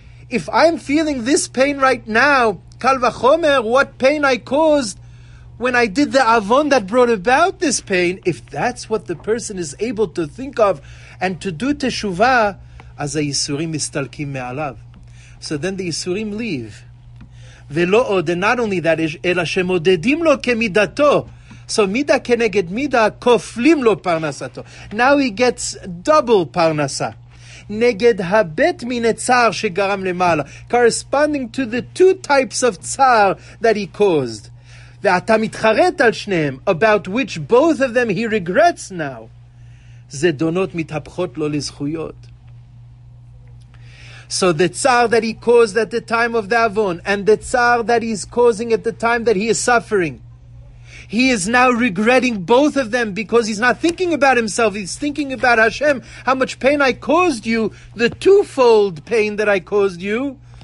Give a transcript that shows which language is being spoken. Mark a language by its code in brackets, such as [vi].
[en] If I'm feeling this pain right now, [he] קל וחומר, [en] what pain I caused when I did the avon that brought about this pain, if that's what the person is able to think of and to do teshuvah, [he] אז היסורים מסתלקים מעליו. [en] So then the יסורים leave. [he] ולא עוד, [en] and not only that, [he] אלא שמודדים לו כמידתו. So מידה כנגד מידה, כופלים לו פרנסתו. [en] Now he gets double פרנסה. [he] נגד הבית מן הצער שגרם למעלה. [en] Corresponding to the two types of צער that he caused. [he] ואתה מתחרט על שניהם, [en] about which both of them he regrets now. [he] זדונות מתהפכות לו לזכויות. [en] So the tsar that he caused at the time of the avon, and the tsar that he's causing at the time that he is suffering, he is now regretting both of them because he's not thinking about himself, he's thinking about Hashem, how much pain I caused you, the twofold pain that I caused you.